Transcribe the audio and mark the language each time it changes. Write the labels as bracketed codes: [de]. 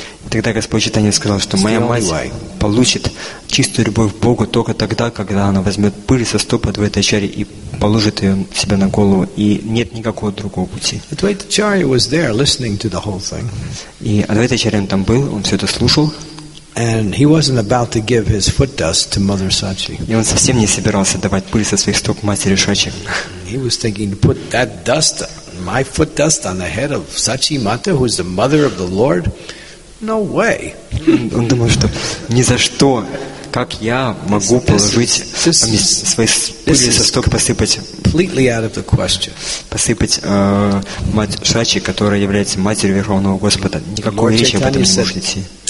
[ru] Тогда Господь Чайтанья сказал, что моя мать получит чистую любовь к Богу только тогда, когда она возьмет пыль со стопы Двайтачарьи и положит ее себе на голову, и нет никакого другого пути. [en] Двайтачарья was there listening to the whole thing. [ru] И Двайтачарья там был, он все это слушал. [en] And he wasn't about to give his foot dust to Mother Sachi. [ru] И он совсем не собирался давать пыль со своих стоп матери Сачи. [en] He was thinking to put that dust, my foot dust, on the head of Sachi Mata, who is the mother of the Lord. No way. [ru] Он думал, что ни за что, как я могу положить свои пыли со стоп посыпать мать Шачи, которая является матерью Верховного Господа. Никакой речи об этом не может идти.